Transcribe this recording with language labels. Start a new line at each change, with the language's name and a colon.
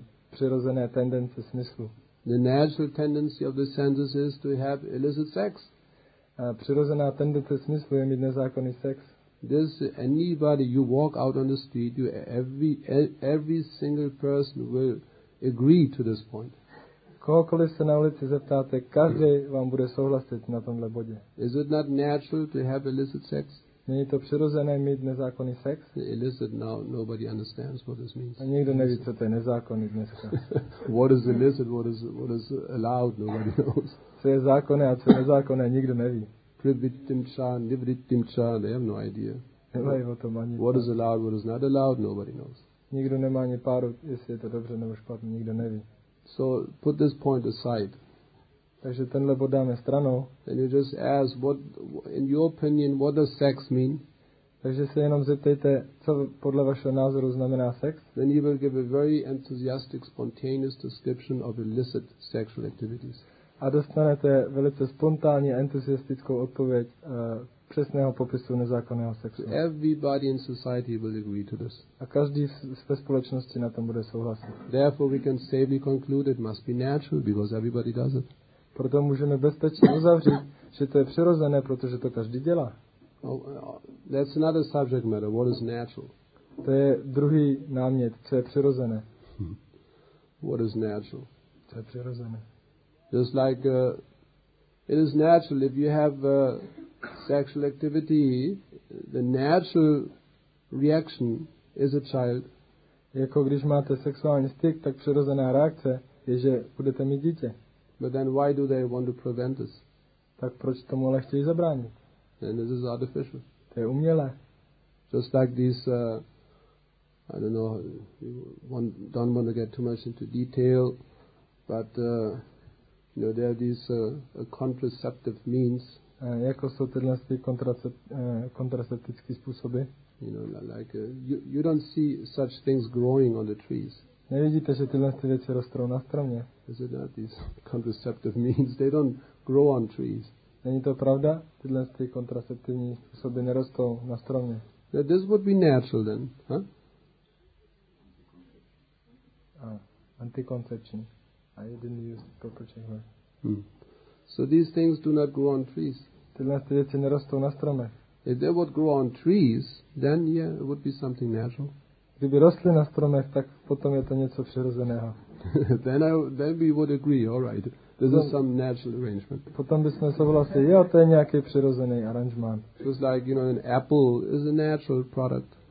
Czech: Přirozené tendence smyslu.
English: The natural tendency of the senses is to have illicit sex.
Czech: Přirozená tendence smyslu je mít nezákonný sex.
English: This anybody you walk out on the street, you every single person will agree to this point.
Czech: Kohokoliv se na ulici zeptáte, každý vám bude souhlasit na tomhle bodě.
English: Is it not natural to have illicit sex?
Czech: Není to přirozené mít nezákonný sex?
English: Illicit, now nobody understands what this means.
Czech: A nikdo neví, co to je nezákonný dneska.
English: What is illicit, what is allowed, nobody knows.
Czech: Co je zákonné a co nezákonné, nikdo neví.
Sanskrit: Privittim cha, nivrittim cha,
English: they have no idea.
Czech: Nemají o tom ani.
English: What is allowed, what is not allowed, nobody knows.
Czech: Nikdo nemá ani páru, jestli je to dobře nebo špatně, nikdo neví.
English: So put this point aside.
Czech: Takže tenhle bod dáme stranou.
English: Then you just ask, what, in your opinion, what does sex mean?
Czech: Takže se jenom zeptejte, co podle vašeho názoru znamená sex?
English: Then you will give a very enthusiastic, spontaneous description of illicit sexual activities.
Czech: A dostanete velice spontánní, entuziastickou odpověď přesného popisu nezákonného sexu.
English: Everybody in society will agree to this.
Czech: A každý ve společnosti na tom bude souhlasit.
English: Therefore, we can safely conclude it must be natural because everybody does it.
Czech: Proto můžeme bezpečně uzavřít, že to je přirozené, protože to každý dělá.
English: Oh, that's another subject matter. What is natural?
Czech: To je druhý námět, co je přirozené.
English: What is natural?
Czech: Co je přirozené?
English: Just like it is natural if you have sexual activity, the natural reaction is a child.
Czech: Jako když máte sexuální styk, tak přirozená reakce je, že budete mít dítě.
English: But then why do they want to prevent this?
Czech: Tak proč tomu ale chtějí zabránit?
English: Then this is artificial.
Czech: To je umělé.
English: Just like these, I don't know, don't want to get too much into detail, but you know, there are these contraceptive means.
Czech: Jako jsou tyhle kontraceptické způsoby.
English: You know, like you don't see such things growing on the trees.
Czech: Nevidíte, že tyhle věci rostou na stromě?
English: Is it not these contraceptive means? They don't grow on trees.
Czech: Není to pravda? Tyhle kontraceptivní způsoby nerostou na stromě.
English: That this would be natural then, huh? Anticonception. I didn't use the proper Czech word. So these things do not grow on trees.
Czech: Tyhle věci nerostou na stromech.
English: If they would grow on trees, then yeah, it would be something natural.
Czech: Kdyby rostly na stromech, tak potom je to něco přirozeného.
English: then we would agree, all right. This is some natural arrangement.
Czech: Potom bychom souhlasili, jo, to je nějaký přirozený aranžmán.
English: Just like, you know, an apple is a natural product.